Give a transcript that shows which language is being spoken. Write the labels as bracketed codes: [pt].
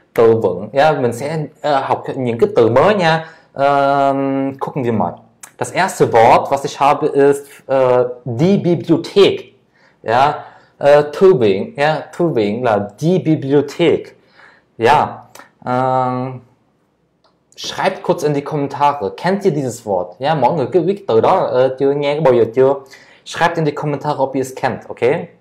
[vi] Từ vựng, mình sẽ học những cái từ mới nha. [de] Gucken wir mal. Das erste Wort, was ich habe, ist die Bibliothek. [vi] Ja, thư viện, ja, thư viện là die Bibliothek. [de] Ja, schreibt kurz in die Kommentare. Kennt ihr dieses Wort? [vi] Ja, mọi người cứ viết từ đó chưa nghe bao giờ chưa? [de] Schreibt in die Kommentare, ob ihr es kennt, okay?